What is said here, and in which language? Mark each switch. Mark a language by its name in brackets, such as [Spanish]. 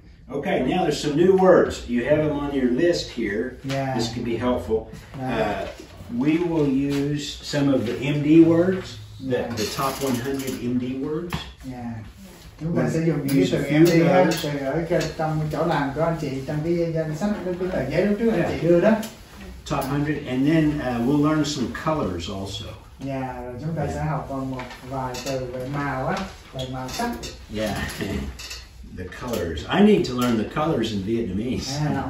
[English] Okay, now there's some new words. You have them on your list here. Yeah. This can be helpful. We will use some of the MD words, the top 100 MD words. Yeah. [Vietnamese] Chúng ta sẽ dùng những từ MD ở trong chỗ làm của anh chị, trong cái danh sách, cái tờ giấy lúc trước anh chị đưa đó. [English] Top 100, and then we'll learn some colors also. [Vietnamese] Yeah, rồi chúng ta sẽ học một vài từ về màu sắc. [English] Yeah. The colors. I need to learn the colors in Vietnamese.